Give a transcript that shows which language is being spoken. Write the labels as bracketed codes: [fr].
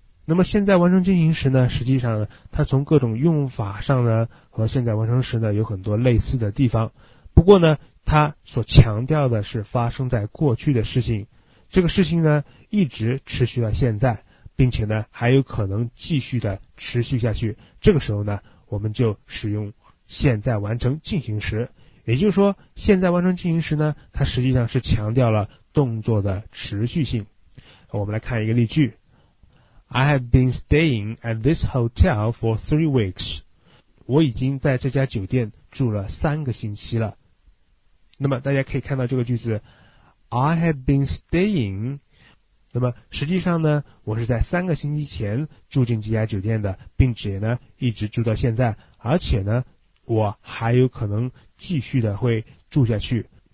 [zh] 那么现在完成进行时呢，实际上呢，它从各种用法上呢和现在完成时呢有很多类似的地方，不过呢它所强调的是发生在过去的事情，这个事情呢一直持续到现在，并且呢还有可能继续的持续下去，这个时候呢我们就使用现在完成进行时。也就是说现在完成进行时呢，它实际上是强调了动作的持续性。我们来看一个例句。 [en] I have been staying at this hotel for 3 weeks. [zh] 我已经在这家酒店住了3个星期了。那么大家可以看到这个句子， [en] I have been staying. [zh] 那么实际上呢，我是在三个星期前住进这家酒店的，并且呢一直住到现在，而且呢我还有可能继续的会住下去。